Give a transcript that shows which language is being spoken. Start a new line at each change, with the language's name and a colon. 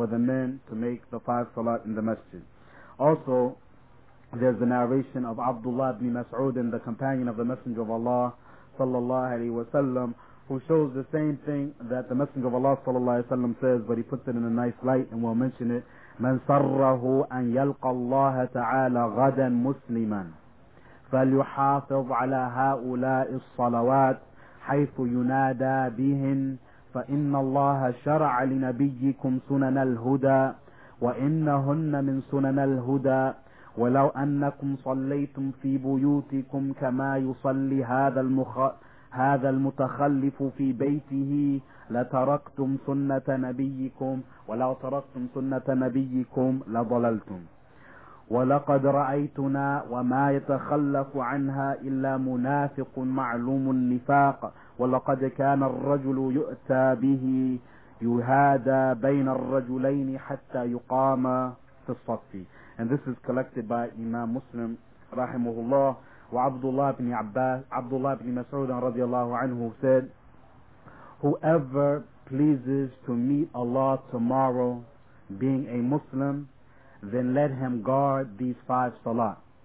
English: for the men to make the five salat in the masjid. Also, there's the narration of Abdullah ibn Mas'ud and the companion of the Messenger of Allah sallallahu alayhi wa sallam, who shows the same thing that the Messenger of Allah sallallahu alayhi wa sallam says, but he puts it in a nice light, and we'll mention it.
Arabic: من صره أن يلقى الله تعالى غدا مسلما فليحافظ على هؤلاء الصلوات حيث ينادى بهن فإن الله شرع لنبيكم سنن الهدى وإنهن من سنن الهدى ولو أنكم صليتم في بيوتكم كما يصلي هذا المتخلف في بيته لتركتم سنة نبيكم ولو تركتم سنة نبيكم لضللتم ولقد رأيتنا وما يتخلف عنها إلا منافق معلوم النفاق ولقد كان الرجل يؤتى به يهادى بين الرجلين حتى يقام في الصف.
English: And this is collected by Imam Muslim رحمه الله. وعبدالله بن عباس عبدالله بن مسعود رضي الله عنه said, whoever pleases to meet Allah tomorrow being a Muslim, then let him guard these five salat,